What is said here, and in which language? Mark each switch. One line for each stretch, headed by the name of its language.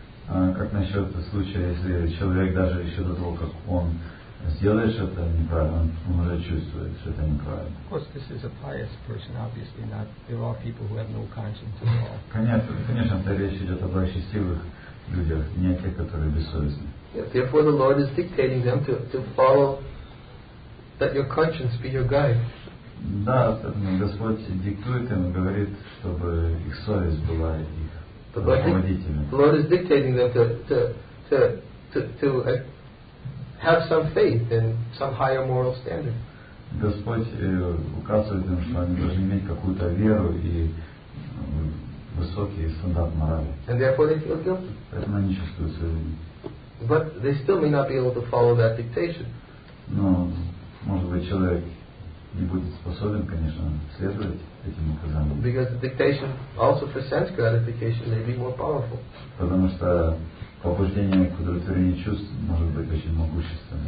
Russian: Как насчет случая, если человек даже еще до того, как он сделает что-то неправильно, он уже чувствует, что это неправильно.
English: Of course, this is a pious person, obviously not. There are people who have no conscience at all.
Russian: Конечно, это речь идет о благочестивых людях, не о тех, которые бессовестны.
English: Therefore, the Lord is dictating them to follow, that your conscience be your guide.
Russian: Да, Господь диктует им, говорит, чтобы их совесть была их.
English: The Lord is dictating them to have some faith and some higher moral standard.
Russian: Господь указывает им, что они должны иметь какую-то веру и высокий стандарт морали.
English: And therefore they feel guilty.
Russian: Поэтому они чувствуют свою вину.
English: But they still may not be able to follow that dictation.
Russian: Но, может быть, человек не будет способен, конечно, следовать этим указаниям.
English: Because the dictation also for sense gratification may be more powerful.
Russian: Потому что побуждение к удовлетворению чувств может быть очень могущественным.